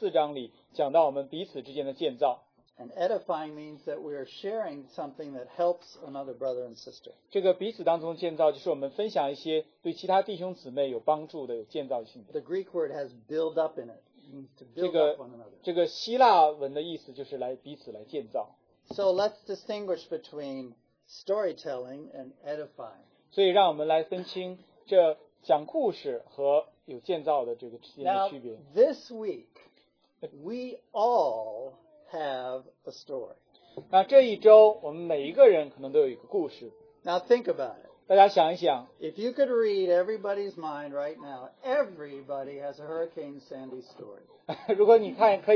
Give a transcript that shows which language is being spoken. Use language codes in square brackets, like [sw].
[zh] 在前几周，陈锡斌弟兄分享在哥林多前书12、13、14章，又在14章里讲到我们彼此之间的建造。 [en] And edifying means that we are sharing something that helps another brother and sister. [zh] 这个彼此当中的建造就是我们分享一些对其他弟兄姊妹有帮助的、有建造性的。 [en] The Greek word has build up in it, means to build [zh] 这个, [en] up one another. [zh] 这个希腊文的意思就是来彼此来建造。 [en] So let's distinguish between storytelling and edifying. [zh] 所以让我们来分清这讲故事和有建造的这个之间的区别。 [en] Now, this week, we all have a story. [zh] 那这一周我们每一个人可能都有一个故事。 [en] Now, think about it. [zh] 大家想一想, [en] if you could read everybody's mind right now, everybody has a Hurricane Sandy story.